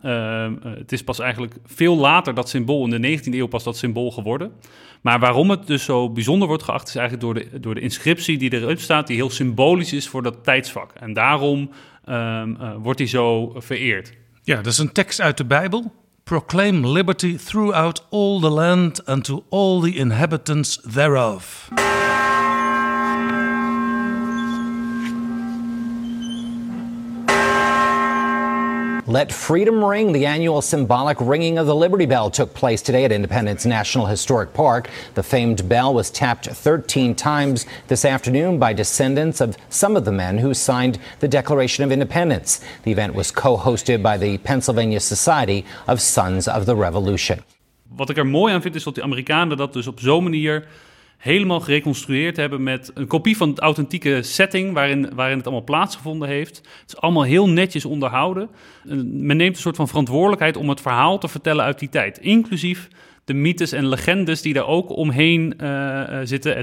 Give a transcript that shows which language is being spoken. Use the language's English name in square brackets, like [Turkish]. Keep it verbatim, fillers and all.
[Dutch] Uh, het is pas eigenlijk veel later dat symbool, in de negentiende eeuw pas dat symbool geworden. Maar waarom het dus zo bijzonder wordt geacht, is eigenlijk door de, door de inscriptie die erop staat, die heel symbolisch is voor dat tijdsvak. En daarom um, uh, wordt die zo vereerd. Ja, dat is een tekst uit de Bijbel. [English] Proclaim liberty throughout all the land and to all the inhabitants thereof. Let Freedom Ring, the annual symbolic ringing of the Liberty Bell, took place today at Independence National Historic Park. The famed bell was tapped thirteen times this afternoon by descendants of some of the men who signed the Declaration of Independence. The event was co-hosted by the Pennsylvania Society of Sons of the Revolution. [Dutch] Wat ik er mooi aan vind is dat de Amerikanen dat dus op zo'n manier helemaal gereconstrueerd hebben met een kopie van de authentieke setting waarin, waarin het allemaal plaatsgevonden heeft. Het is allemaal heel netjes onderhouden. Men neemt een soort van verantwoordelijkheid om het verhaal te vertellen uit die tijd. Inclusief de mythes en legendes die daar ook omheen uh, zitten.